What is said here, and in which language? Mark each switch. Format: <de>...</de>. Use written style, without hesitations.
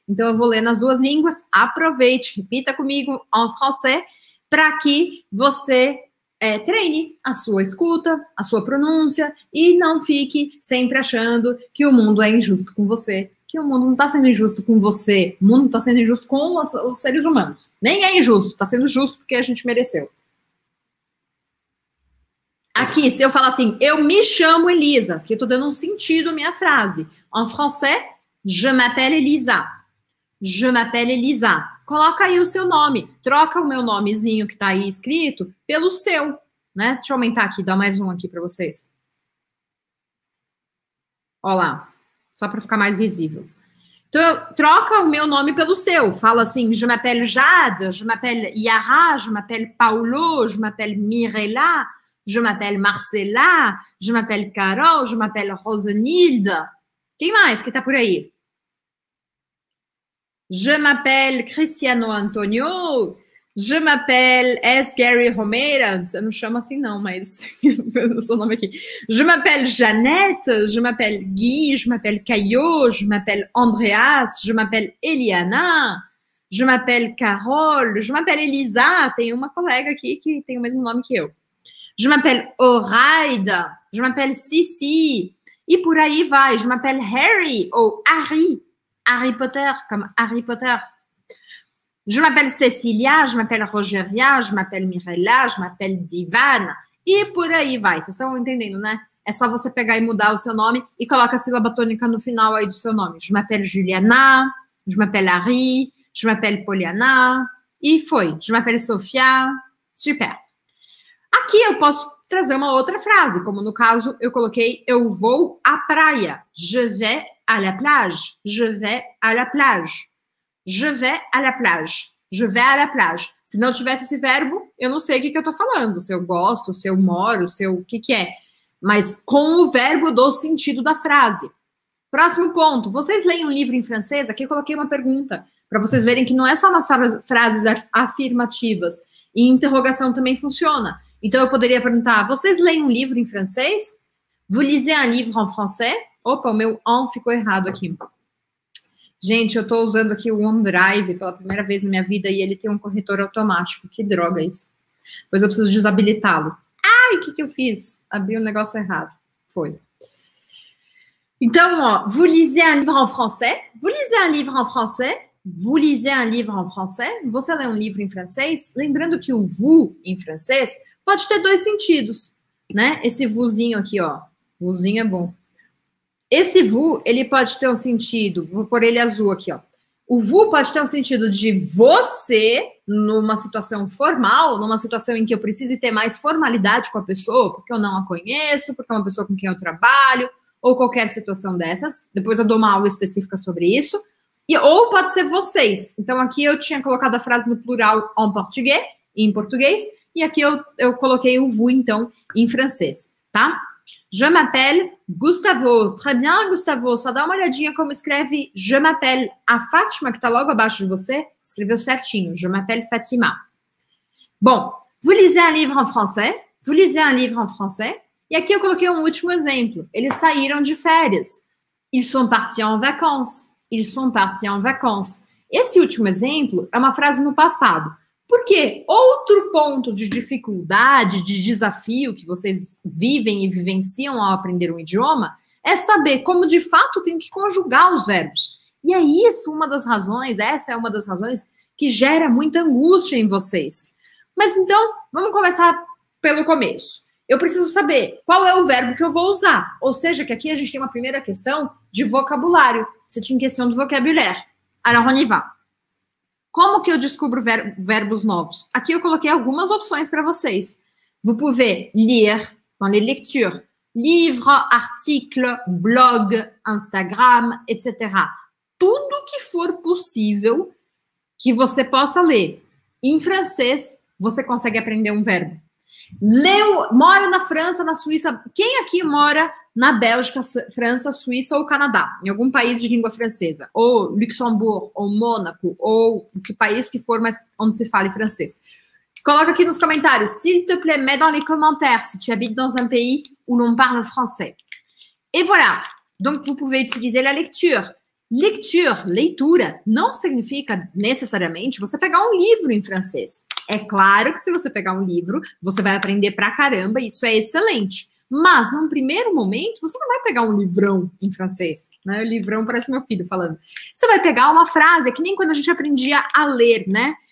<pt>Então, eu vou ler nas duas línguas. Aproveite, repita comigo</pt> <fr>en français,</fr> <pt>para que você treine a sua escuta, a sua pronúncia e não fique sempre achando que o mundo é injusto com você. Que o mundo não está sendo injusto com você. O mundo está sendo injusto com os seres humanos. Nem é injusto. Está sendo justo porque a gente mereceu. Aqui, se eu falar assim, eu me chamo Elisa, que eu tô dando um sentido à minha frase.</pt> <fr>En français, je m'appelle Elisa. Je m'appelle Elisa.</fr> <pt>Coloca aí o seu nome. Troca o meu nomezinho que tá aí escrito pelo seu, né? Deixa eu aumentar aqui, dar mais um aqui para vocês. Olha lá. Só para ficar mais visível. Então, troca o meu nome pelo seu. Fala assim,</pt> <fr>je m'appelle Jade, je m'appelle Yara, je m'appelle Paulo, je m'appelle Mirella. Je m'appelle Marcela, je m'appelle Carol, je m'appelle Rosenilde.</fr> <pt>Quem mais que tá por aí?</pt> <fr>Je m'appelle Cristiano Antonio, je m'appelle S. Gary Romero.</fr> <pt>Eu não chamo assim não, mas o seu nome aqui.</pt> <fr>Je m'appelle Jeanette, je m'appelle Guy, je m'appelle Caio, je m'appelle Andreas, je m'appelle Eliana, je m'appelle Carol, je m'appelle Elisa.</fr> <pt>Tem uma colega aqui que tem o mesmo nome que eu.</pt> <fr>Je m'appelle Oraida, je m'appelle Cici,</fr> <pt>e por aí vai,</pt> <fr>je m'appelle Harry, ou Harry, Harry Potter, comme Harry Potter. Je m'appelle Cecilia, je m'appelle Rogeria, je m'appelle Mirella, je m'appelle Divan,</fr> <pt>e por aí vai, vocês estão entendendo, né? É só você pegar e mudar o seu nome e coloca a sílaba tônica no final aí do seu nome.</pt> <fr>Je m'appelle Juliana, je m'appelle Harry, je m'appelle Poliana,</fr> <pt>e foi,</pt> <fr>je m'appelle Sofia, super.</fr> <pt>Aqui eu posso trazer uma outra frase, como no caso eu coloquei, eu vou à praia.</pt> <fr>Je vais à la plage. Je vais à la plage. Je vais à la plage. Je vais à la plage.</fr> <pt>Se não tivesse esse verbo, eu não sei o que, que eu tô falando. Se eu gosto, se eu moro, se eu... o que que é. Mas com o verbo eu dou sentido da frase. Próximo ponto. Vocês leem um livro em francês? Aqui eu coloquei uma pergunta. Para vocês verem que não é só nas frases afirmativas. E interrogação também funciona. Então, eu poderia perguntar, vocês leem um livro em francês?</pt> <fr>Vous lisez un livre en français?</fr> <pt>Opa, o meu on ficou errado aqui. Gente, eu estou usando aqui o OneDrive pela primeira vez na minha vida e ele tem um corretor automático. Que droga isso. Pois eu preciso desabilitá-lo. Ai, o que, que eu fiz? Abri um negócio errado. Foi. Então, ó,</pt> <fr>vous lisez un livre en français? Vous lisez un livre en français? Vous lisez un livre en français?</fr> <pt>Você lê um livro em francês? Lembrando que o vous em francês pode ter dois sentidos, né? Esse vuzinho aqui, ó. Vuzinho é bom. Esse vu, ele pode ter um sentido, vou pôr ele azul aqui, ó. O vu pode ter um sentido de você numa situação formal, numa situação em que eu precise ter mais formalidade com a pessoa, porque eu não a conheço, porque é uma pessoa com quem eu trabalho, ou qualquer situação dessas. Depois eu dou uma aula específica sobre isso. E, ou pode ser vocês. Então aqui eu tinha colocado a frase no plural en português, em português. E aqui eu coloquei o vous, então, em francês, tá?</pt> <fr>Je m'appelle Gustavo. Très bien, Gustavo.</fr> <pt>Só dá uma olhadinha como escreve je m'appelle a Fátima, que tá logo abaixo de você. Escreveu certinho.</pt> <fr>Je m'appelle Fatima. Bom, vous lisez un livre en français? Vous lisez un livre en français?</fr> <pt>E aqui eu coloquei um último exemplo. Eles saíram de férias.</pt> <fr>Ils sont partis en vacances. Ils sont partis en vacances.</fr> <pt>Esse último exemplo é uma frase no passado. Porque outro ponto de dificuldade, de desafio que vocês vivem e vivenciam ao aprender um idioma, é saber como de fato tem que conjugar os verbos. E é isso uma das razões, essa é uma das razões que gera muita angústia em vocês. Mas então, vamos começar pelo começo. Eu preciso saber qual é o verbo que eu vou usar. Ou seja, que aqui a gente tem uma primeira questão de vocabulário. Você tinha questão de vocabulário.</pt> <fr>Alors on y va.</fr> <pt>Como que eu descubro verbos novos? Aqui eu coloquei algumas opções para vocês.</pt> <fr>Vous pouvez lire dans les lectures. Livre, article, blog, Instagram, etc.</fr> <pt>Tudo que for possível que você possa ler. Em francês, você consegue aprender um verbo. Leu, mora na França, na Suíça. Quem aqui mora na Bélgica, França, Suíça ou Canadá, em algum país de língua francesa, ou Luxemburgo, ou Mônaco, ou que país que for, mas onde se fale francês. Coloca aqui nos comentários.</pt> <fr>S'il te plaît, mets dans les commentaires si tu habites dans un pays où l'on parle français. Et voilà. Donc, vous pouvez utiliser la lecture.</fr> <pt>Lecture, leitura, não significa necessariamente você pegar um livro em francês. É claro que se você pegar um livro, você vai aprender pra caramba, isso é excelente. Mas, num primeiro momento, você não vai pegar um livrão em francês. Né? O livrão parece meu filho falando. Você vai pegar uma frase, é que nem quando a gente aprendia a ler, né?</pt>